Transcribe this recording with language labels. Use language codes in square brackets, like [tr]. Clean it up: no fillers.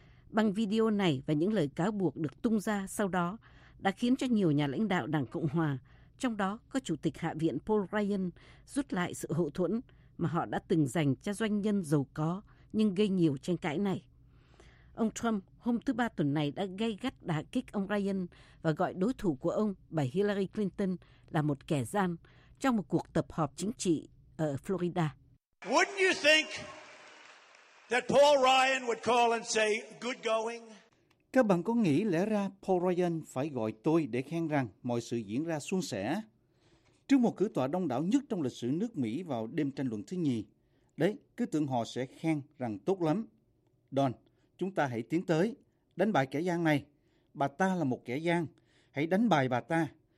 [vi] Băng video này và những lời cáo buộc được tung ra sau đó đã khiến cho nhiều nhà lãnh đạo Đảng Cộng Hòa, trong đó có Chủ tịch Hạ viện Paul Ryan, rút lại sự hậu thuẫn mà họ đã từng dành cho doanh nhân giàu có nhưng gây nhiều tranh cãi này. Ông Trump hôm thứ Ba tuần này đã gay gắt đả kích ông Ryan và gọi đối thủ của ông, bà Hillary Clinton, là một kẻ gian trong một cuộc tập họp chính trị ở Florida. [en] Wouldn't you think that Paul Ryan would call and say good going? [vi] Các bạn có nghĩ lẽ ra Paul Ryan phải gọi tôi để khen rằng mọi sự diễn ra suôn sẻ? Trước một cử tọa đông đảo nhất trong lịch sử nước Mỹ vào đêm tranh luận thứ nhì, đấy, cứ tưởng họ sẽ khen rằng tốt lắm. Don, chúng ta hãy tiến tới, đánh bại kẻ gian này. Bà ta là một kẻ gian, hãy đánh bại bà ta.